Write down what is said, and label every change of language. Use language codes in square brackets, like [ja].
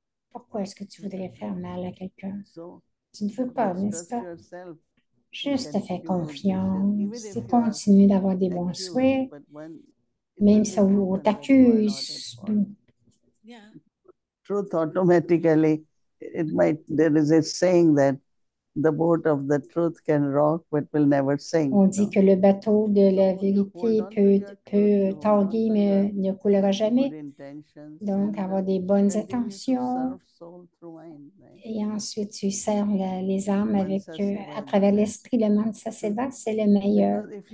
[fr] Pourquoi est-ce que tu voudrais faire mal à quelqu'un? Tu ne veux pas, n'est-ce pas? Juste de faire confiance et continuer d'avoir des bons souhaits, même si on t'accuse. [en] Truth automatically, it might, there is a saying that the boat of the truth can rock, but will never sink. [fr] On dit que le bateau de la vérité peut tanguer, mais ne coulera jamais. Donc, avoir des bonnes intentions. Et ensuite, tu sers les âmes à travers l'esprit, le monde, ça c'est vrai, c'est le meilleur.